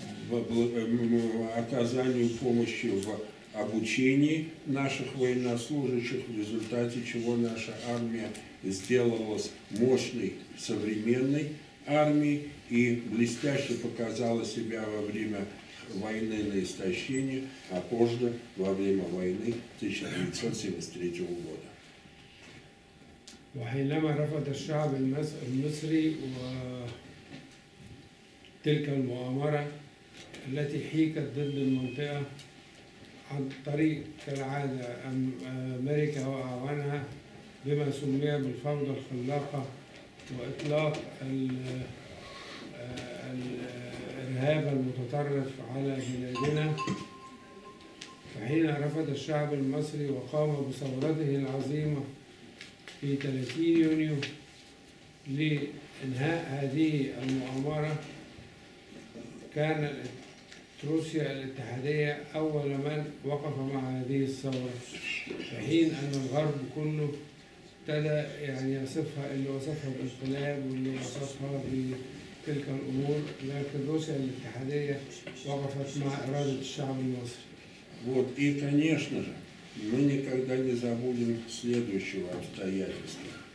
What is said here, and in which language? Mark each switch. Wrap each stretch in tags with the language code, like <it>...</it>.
<ru>в оказании помощи в обучении наших военнослужащих, в результате чего наша армия сделалась мощной современной армией и блестяще показала себя во время войны на истощение, а позже во время войны 1973 года.</ru> <ar>وحينما رفض الشعب المصري وتلك المؤامرة التي حيكت ضد المنطقة عن طريق كالعادة أمريكا وأعوانها بما سمي بالفوضى الخلاقة وإطلاق الإرهاب المتطرف على بلادنا فحين رفض الشعب المصري وقام بثورته العظيمة في 30 يونيو لإنهاء هذه المؤامرة كان روسيا الاتحادية أول من وقف مع هذه الثورة فحين أن الغرب كله ابتدى يعني يصفها اللي وصفها بالانقلاب واللي وصفها بتلك الأمور لكن روسيا الاتحادية وقفت مع إرادة الشعب المصري.</ar> <ru>Вот и конечно же мы никогда не забудем следующего обстоятельства.</ru>